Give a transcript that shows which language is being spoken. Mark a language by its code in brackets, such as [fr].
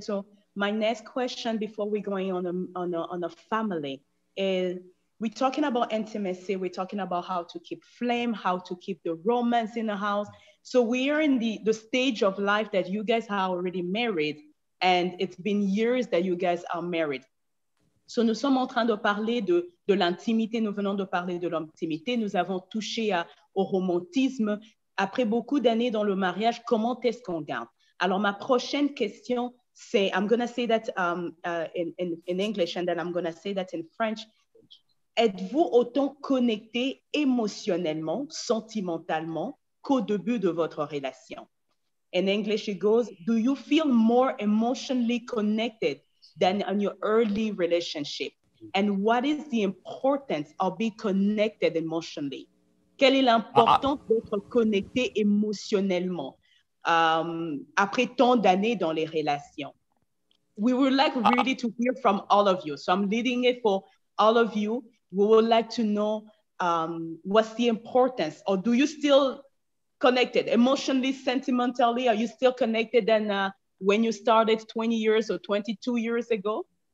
[en] So my next question before we go in on a family is, we're talking about intimacy. We're talking about how to keep flame, how to keep the romance in the house. So we are in the stage of life that you guys are already married. And it's been years that you guys are married. [fr] So nous sommes en train de parler de l'intimité. Nous venons de parler de l'intimité. Nous avons touché au romantisme. Après beaucoup d'années dans le mariage, comment est-ce qu'on garde? Alors, ma prochaine question, c'est, [en] I'm going to say that in English, and then I'm going to say that in French. [fr] Êtes-vous autant connecté émotionnellement, sentimentalement, qu'au début de votre relation? [en] In English, it goes, do you feel more emotionally connected than in your early relationship? And what is the importance of being connected emotionally? [fr] Quelle est l'importance d'être connecté émotionnellement après tant d'années dans les relations? [en] We would like really to hear from all of you. So I'm leading it for all of you. We would like to know what's the importance, or do you still connected emotionally, sentimentally? Are you still connected than when you started 20 years or 22 years ago?